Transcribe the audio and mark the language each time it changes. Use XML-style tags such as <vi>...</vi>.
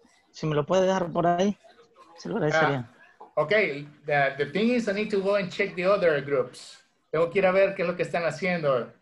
<es>Si me lo puede dejar por ahí, se lo agradecería.</es> <en>Ok, the thing is I need to go and check the other groups.</en> <es>Tengo que ir a ver qué es lo que están haciendo.</es>